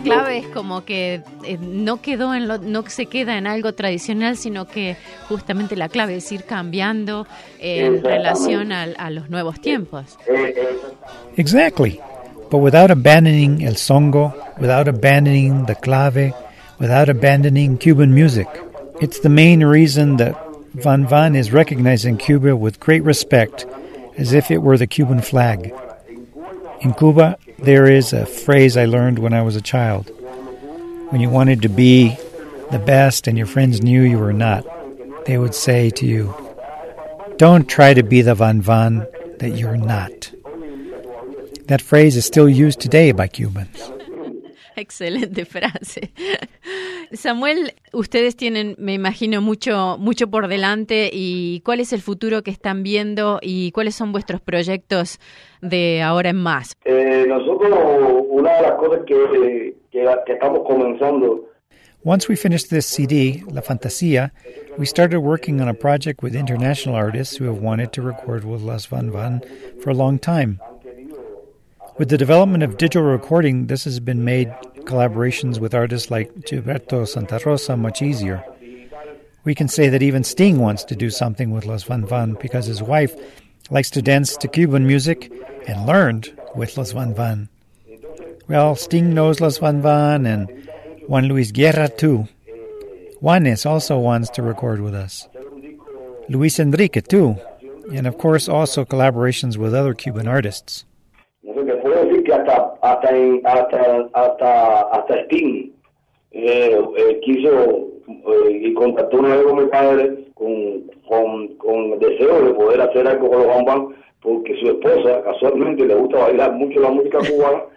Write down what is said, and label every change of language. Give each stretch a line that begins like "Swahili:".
Spanish: es como que no se queda en algo tradicional, sino que justamente la clave es ir cambiando en relación a los nuevos tiempos.
English: Exactly. But without abandoning el songo, without abandoning the clave, without abandoning Cuban music, it's the main reason that Van Van is recognizing Cuba with great respect, as if it were the Cuban flag. In Cuba, there is a phrase I learned when I was a child. When you wanted to be the best and your friends knew you were not, they would say to you, "Don't try to be the Van Van that you're not." That phrase is still used today by Cubans.
Spanish: Excelente frase. Samuel, ustedes tienen, me imagino, mucho por delante. ¿Y cuál es el futuro que están viendo y cuáles son vuestros proyectos de ahora en más? Nosotros, una de las cosas que estamos comenzando.
English: Once we finished this CD, La Fantasía, we started working on a project with international artists who have wanted to record with Las Van Van for a long time. With the development of digital recording, this has been made collaborations with artists like Gilberto Santa Rosa much easier. We can say that even Sting wants to do something with Las Van Van because his wife likes to dance to Cuban music and learned with Las Van Van. Well, Sting knows Las Van Van and Juan Luis Guerra too. Juanes also wants to record with us. Luis Enrique too. And of course also collaborations with other Cuban artists.
Spanish: Hasta Sting quiso y contactó una vez con mi padre con deseo de poder hacer algo con los Van Van, porque su esposa casualmente le gusta bailar mucho la música cubana.